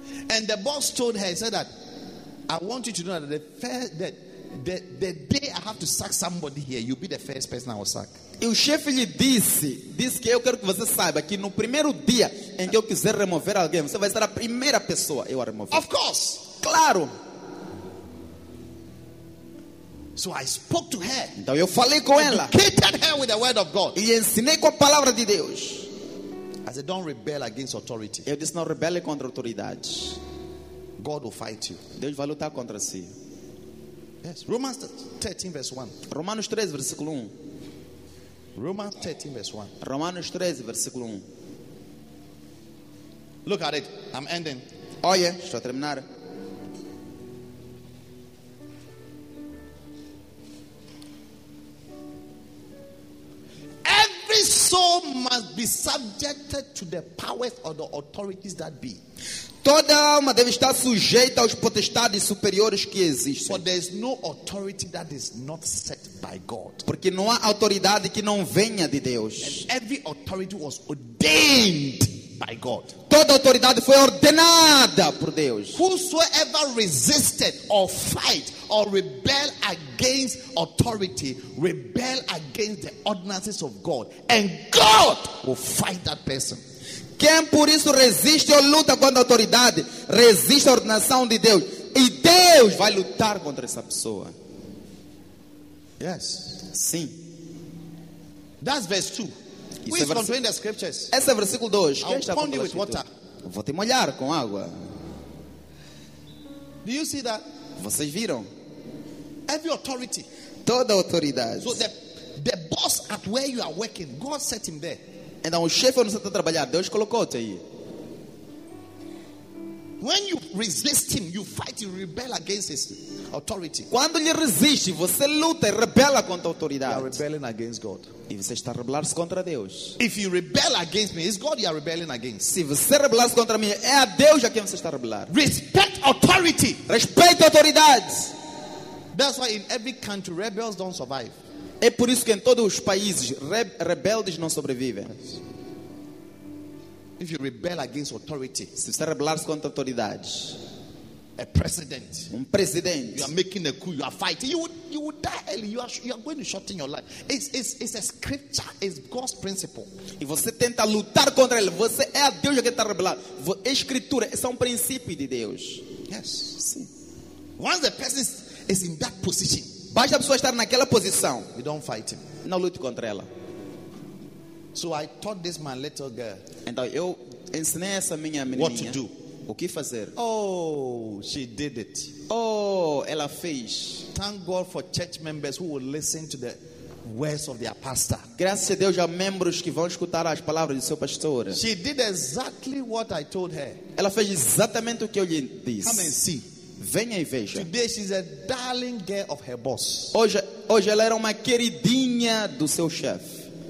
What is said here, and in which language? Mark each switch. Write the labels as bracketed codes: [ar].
[en] And the boss told her, he said that, I want you to know that the day I have to sack somebody here, you'll be the first person I will sack. [pt] E o chefe lhe disse que eu quero que você saiba que no primeiro dia em que eu quiser remover alguém, você vai ser a primeira pessoa eu a remover. [en] Of course. [pt] Claro. [en] So I spoke to her. [pt] Então eu falei com ela. [en] Educated her with the word of God. [pt] E ensinei com a palavra de Deus. [en] I said, don't rebel against authority. [pt] Eu disse, não rebele contra a autoridade. [en] God will fight you. [pt] Deus vai lutar contra si. [en] Yes. Romans 13 verse 1. [pt] Romanos 13 versículo 1. [en] Romans 13 verse 1. [pt] Romanos 13 versículo 1. [en] Look at it. I'm ending. [pt] Oh yeah. Estou a terminar. [en] Every soul must be subjected to the powers or the authorities that be. [pt] Toda alma deve estar sujeita aos potestades superiores que existem. [en] For there is no authority that is not set by God. [pt] Porque não há autoridade que não venha de Deus. [en] And every authority was ordained by God. [pt] Toda autoridade foi ordenada por Deus. [en] Whosoever resisted or fight or rebel against authority, rebel against the ordinances of God, and God will fight that person. [pt] Quem por isso resiste ou luta contra a autoridade, resiste à ordenação de Deus. E Deus vai lutar contra essa pessoa. [en] Yes. [pt] Sim. [en] That's verse 2. Who is controlling the scriptures? [pt] Esse é versículo 2. Quem está controlando [en] with water. [pt] Vou te molhar com água. [en] Do you see that? [pt] Vocês viram? [en] Every authority. [pt] Toda autoridade. [en] So the boss at where you are working, God set him there. [pt] Então o chefe não está a trabalhar, Deus colocou-te aí. [en] When you resist him, you fight, you rebel against his authority. [pt] Quando lhe resiste, você luta e rebela contra a autoridade. [en] You are rebelling against God. [pt] E você está a rebelar-se contra Deus. [en] If you rebel against me, it's God you are rebelling against. [pt] Se você rebelar-se contra mim, é a Deus a quem você está a rebelar. [en] Respect authority. [pt] Respeite autoridades. [en] That's why in every country rebels don't survive. [pt] É por isso que em todos os países rebeldes não sobrevivem. [en] If you rebel against authority, [pt] se você rebelar contra autoridades, [en] a president, [pt] um presidente, [en] you are making a coup, you are fighting, you would die early, you are going to shorten your life. It's a scripture, it's God's principle. [pt] E você tenta lutar contra ele, você é a Deus que está rebelando. É escritura, é um princípio de Deus. [en] Yes. [pt] Sim. [en] Once the person is in that position. [pt] Basta a pessoa estar naquela posição. [en] You don't fight him. [pt] Não lute contra ela. [en] So I taught this my little girl. [pt] Então eu ensinei essa minha menina. [en] What to do? [pt] O que fazer? [en] Oh, she did it. [pt] Oh, ela fez. [en] Thank God for church members who will listen to the words of their pastor. [pt] Graças a Deus há membros que vão escutar as palavras do seu pastor. [en] She did exactly what I told her. [pt] Ela fez exatamente o que eu lhe disse. [en] Come and see. [pt] Venha e veja. [en] Today she's a darling girl of her boss. [pt] Hoje ela era uma queridinha do seu chefe.